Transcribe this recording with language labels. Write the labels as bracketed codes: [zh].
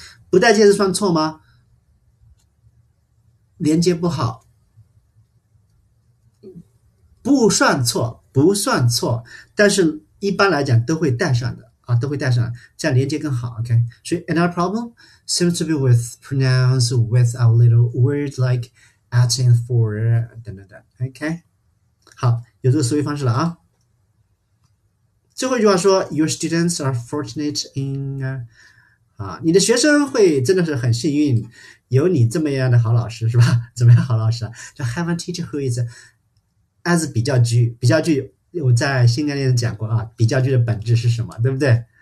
[zh] 不带介词算错吗？连接不好，不算错，不算错。但是一般来讲都会带上的啊，都会带上，这样连接更好。 OK，所以 [en] another problem。 Seems to be with pronouns with a little word like at and for 等等等。 [zh] OK，好，有这个思维方式了啊。 [en] 最后一句话说，Your students are fortunate in [zh] 啊，你的学生会真的是很幸运，有你这么样的好老师，是吧？怎么样，好老师啊？就 [en] have a teacher who is as [zh] 比较句，比较句，我在新概念讲过啊，比较句的本质是什么，对不对？